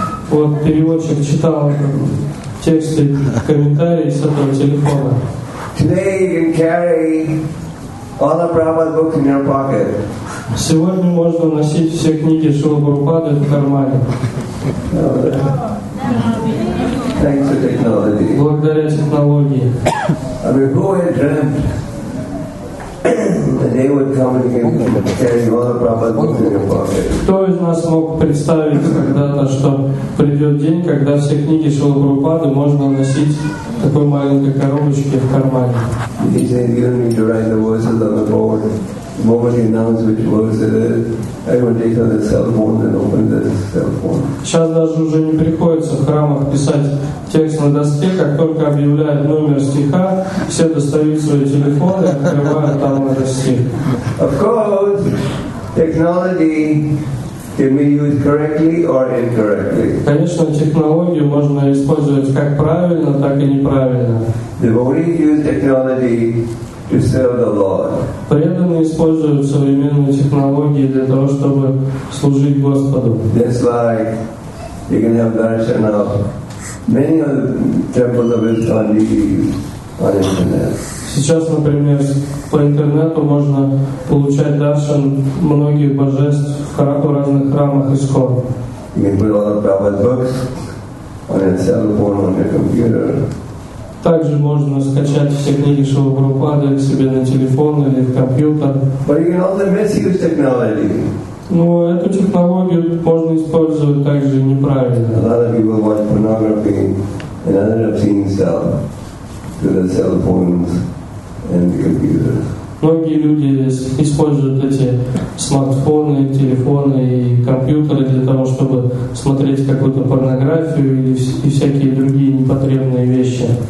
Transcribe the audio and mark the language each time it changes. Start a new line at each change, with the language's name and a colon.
Russian: Вот переводчик читал тексты, комментарии с этого телефона.
English: Today you can carry all the Prabhupada books in your pocket.
Russian: Сегодня можно носить все книги Шрилы Прабхупады в кармане.
English: Thanks to technology.
Russian: Благодаря технологии.
English: I mean, who had dreamt that they would come and carry all the Prabhupada books in your pocket?
Russian: Кто из нас мог представить когда-то, что придет день, когда все книги Шрилы Прабхупады можно носить в такой маленькой коробочке в кармане?
English: He said, you don't need to write the verses on the board. The moment he announced which verse it is, everyone takes out their cell phone and opens their cell phone.
Russian: Сейчас даже уже не приходится в храмах писать текст на доске, как только объявляют номер стиха, все достают свои телефоны и открывают там на доске.
English: Of course, technology can be used correctly or incorrectly.
Russian: Конечно, технологию можно использовать как правильно, так и неправильно.
English: The devotees use technology to serve the Lord.
Russian: Преданные используют современные технологии для того, чтобы служить Господу.
English: That's why you can have darshan of many of the temples of ISKCON on the internet.
Russian: Сейчас, например, по интернету можно получать даршан многих божеств в храмах, в разных храмах ISKCON.
English: You can put all the Prabhupada books on your cell phone, on your computer.
Russian: Также можно скачать все книги Шрилы Прабхупады себе на телефон или в компьютер.
English: But you can also misuse technology.
Russian: Но эту технологию можно использовать также неправильно.
English: A lot of people watch pornography and other obscene stuff through their cell phones and computers.
Russian: Многие люди используют эти смартфоны, телефоны и компьютеры для того, чтобы смотреть какую-то порнографию и всякие другие непотребные вещи.